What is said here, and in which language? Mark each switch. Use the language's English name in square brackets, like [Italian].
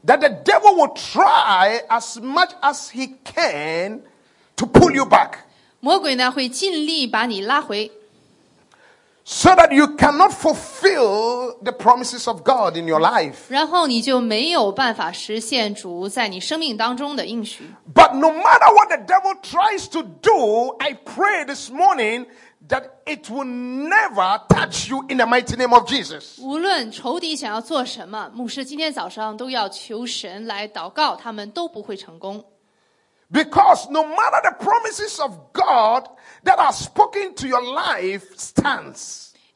[English] That the devil will try as much as he can to pull you back. [Chinese] 魔鬼呢，会尽力把你拉回。 [English] So that you cannot fulfill the promises of God in your life. [Chinese] 然后你就没有办法实现主在你生命当中的应许。 [English] But no matter what the devil tries to do, I pray this morning that it will never touch you in the mighty name of Jesus. [Chinese] 无论仇敌想要做什么，牧师今天早上都要求神来祷告，他们都不会成功。 [English] Because no matter the promises of God that are spoken to your life stands.